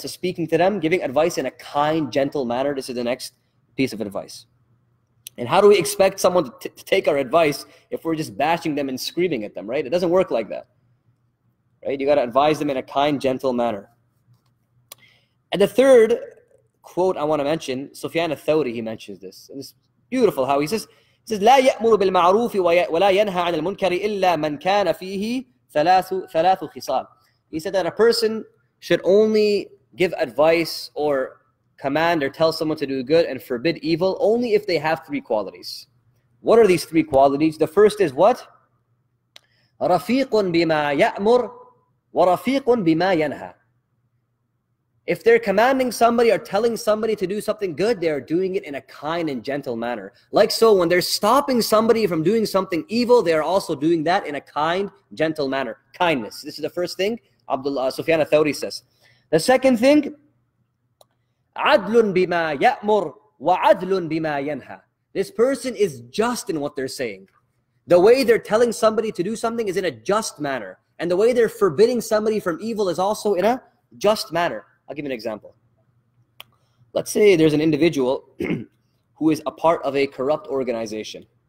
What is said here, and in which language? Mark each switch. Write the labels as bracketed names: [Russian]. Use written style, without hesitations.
[English] So speaking to them, giving advice in a kind, gentle manner, this is the next piece of advice. And how do we expect someone to take our advice if we're just bashing them and screaming at them, right? It doesn't work like that, right? You got to advise them in a kind, gentle manner. And the third quote I want to mention, Sufyan al-Thawri, he mentions this. [Arabic] And it's beautiful how he says, لا يأمر بالمعروف ولا ينهى عن المنكر إلا من كان فيه ثلاث خصال. [English] He said that a person should only give advice or command or tell someone to do good and forbid evil only if they have three qualities. What are these three qualities? [Arabic] The first is what? رَفِيقٌ بِمَا يَأْمُرْ وَرَفِيقٌ بِمَا يَنْهَى. [English] If they're commanding somebody or telling somebody to do something good, they're doing it in a kind and gentle manner. Like so, when they're stopping somebody from doing something evil, they're also doing that in a kind, gentle manner. Kindness. This is the first thing Abdullah Sufyan al-Thawri says. [Arabic] The second thing, عَدْلٌ بِمَا يَأْمُرْ وَعَدْلٌ بِمَا يَنْهَى. [English] This person is just in what they're saying. The way they're telling somebody to do something is in a just manner. And the way they're forbidding somebody from evil is also in a just manner. I'll give you an example. Let's say there's an individual who is a part of a corrupt organization.